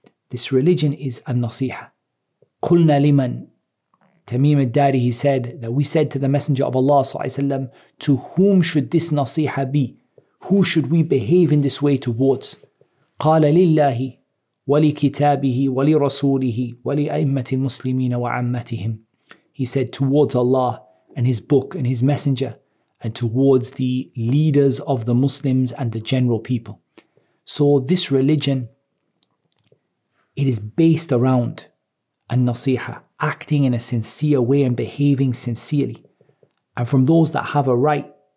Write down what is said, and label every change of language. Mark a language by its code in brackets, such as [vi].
[en] This religion is an-nasiha. [ar] Qulna liman, [en] Tamim al-Dari, he said that we said to the Messenger of Allah sallallahu alaihi wasallam, to whom should this nasiha be? Who should we behave in this way towards? [ar] Qala lillahi وَلِكِتَابِهِ وَلِرَسُولِهِ وَلِأَئِمَّةِ الْمُسْلِمِينَ وَعَمَّتِهِمْ. [en] He said, towards Allah and His book and His messenger, and towards the leaders of the Muslims and the general people. So this religion, it is based around an-nasiha, acting in a sincere way and behaving sincerely. And from those that have a right